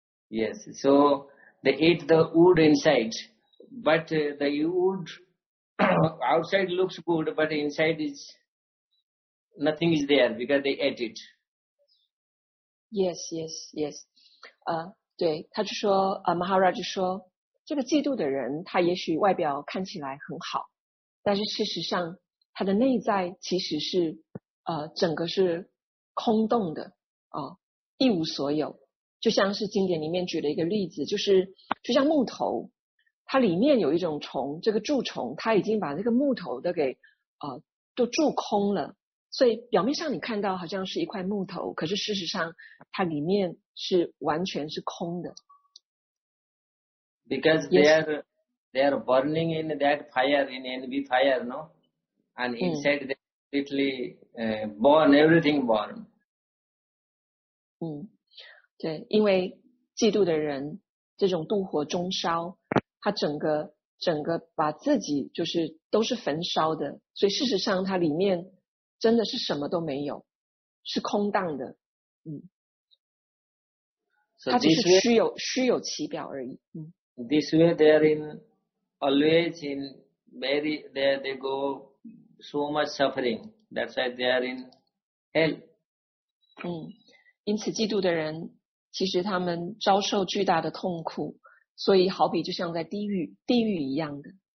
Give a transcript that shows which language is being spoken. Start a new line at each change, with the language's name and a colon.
English: Yes, so they ate the wood inside. But the wood outside looks good, but inside is nothing is there because they ate it. Yes, yes, yes.
Chinese: 对，他就说，Maharaj 就说，这个嫉妒的人，他也许外表看起来很好，但是事实上，他的内在其实是。整个是空洞的一无所有，就像是经典里面举了一个例子，就是就像木头，它里面有一种虫，这个蛀虫它已经把这个木头的给都蛀空了，所以表面上你看到好像是一块木头，可是事实上它里面是完全是空的。
English: Because they are burning in that fire, in envy fire, no? And inside they completely born, everything born.
Chinese: 对，因为嫉妒的人，这种妒火中烧，他整个把自己就是都是焚烧的，所以事实上他里面真的是什么都没有，是空荡的。他就是虚有其表而已。
English: This way they are in always in very there they go so much suffering. That's why they are in hell.
Chinese: 因此嫉妒的人其实他们遭受巨大的痛苦，所以好比就像在地狱一样的。